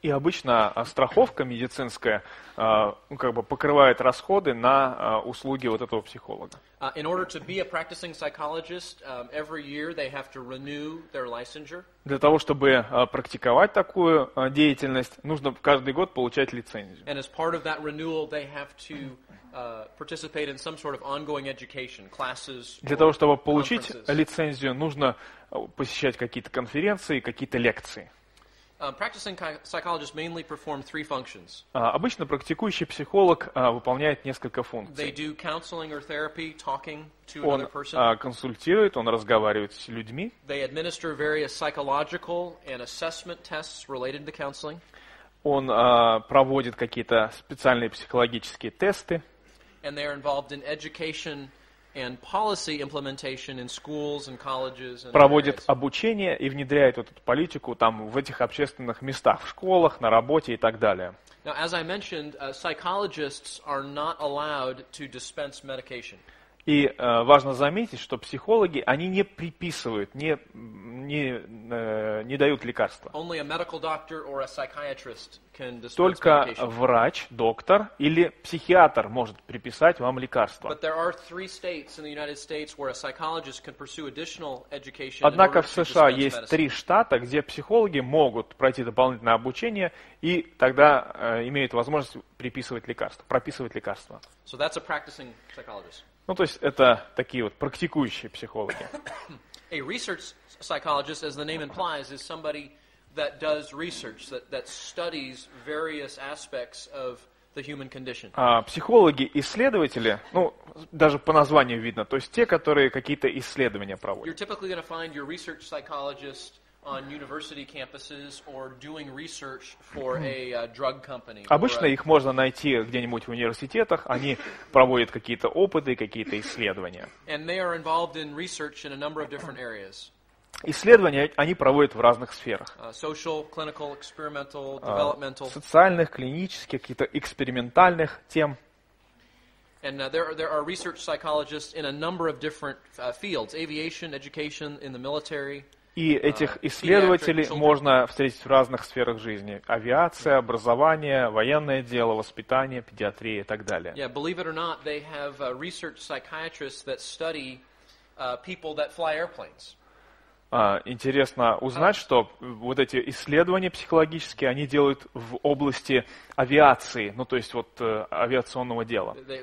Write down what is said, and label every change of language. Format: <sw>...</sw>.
<ru>И обычно страховка медицинская как бы покрывает расходы на услуги вот этого психолога.</ru> <en>In order to be a practicing psychologist, every year they have to renew their licensure.</en> <ru>Для того, чтобы практиковать такую деятельность, нужно каждый год получать лицензию.</ru> <en>And as part of that renewal, they have to participate in some sort of ongoing education, classes.</en> <ru>Для того, чтобы получить лицензию, нужно посещать какие-то конференции, какие-то лекции.</ru> <en>Practicing psychologists mainly perform three functions.</en> <ru>Обычно практикующий психолог выполняет несколько функций.</ru> <en>They do counseling or therapy, talking to</en> <ru>он,</ru> <en>another person.</en> <ru>Он консультирует, он разговаривает с людьми.</ru> <en>They administer various psychological and assessment tests related to counseling.</en> <ru>Он проводит какие-то специальные психологические тесты.</ru> <en>And they are involved in education and policy implementation in schools and colleges.</en> <ru>Проводит обучение и внедряет вот эту политику там в этих общественных местах, в школах, на работе и так далее.</ru> <en>Now, as I mentioned, psychologists are not allowed to dispense medication.</en> <ru>И важно заметить, что психологи, они не приписывают, не дают лекарства.</ru> <en>Only a medical doctor or a psychiatrist can dispense.</en> <ru>Только врач, доктор или психиатр может приписать вам лекарства.</ru> <en>But there are three states in the United States where a psychologist can pursue additional education.</en> <ru>Однако в США есть три штата, где психологи могут пройти дополнительное обучение и тогда имеют возможность приписывать лекарства, прописывать лекарства.</ru> <en>So that's a practicing psychologist.</en> <ru>Ну, то есть это такие вот практикующие психологи.</ru> <en>A research psychologist, as the name implies, is somebody that does research, that studies various aspects of the human condition.</en> <ru>Психологи-исследователи, ну, даже по названию видно, то есть те, которые какие-то исследования проводят.</ru> <en>You're typically going to find your research psychologist on university campuses or doing research for a drug company.</en> <ru>Обычно их можно найти где-нибудь в университетах. Они проводят какие-то опыты, какие-то исследования.</ru> <en>And they are involved in research in a number of different areas.</en> <ru>Исследования они проводят в разных сферах.</ru> <en>Social, clinical, experimental, developmental.</en> <ru>Социальных, клинических, каких-то экспериментальных тем.</ru> <en>And there are research psychologists in a number of different fields: aviation, education, in the military.</en> <ru>И этих исследователей можно встретить в разных сферах жизни: авиация, образование, военное дело, воспитание, педиатрия и так далее.</ru> <en>Yeah, believe it or not, they have research psychiatrists that study people that fly airplanes.</en> <ru>Интересно узнать, что вот эти исследования психологические, они делают в области авиации, ну то есть вот авиационного дела.</ru>